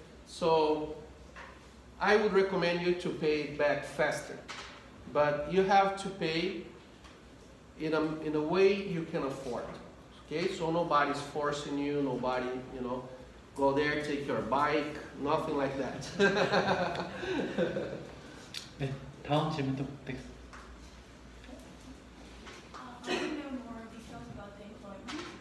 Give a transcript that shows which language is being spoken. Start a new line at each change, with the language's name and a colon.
English: So I would recommend you to pay back faster. But you have to pay in a way you can afford. Okay, so nobody's forcing you, nobody, you know, go there, take your bike, nothing like that.
Korean: 네, 다음 질문도 되겠습니다.
English: I want to know more details about the employment.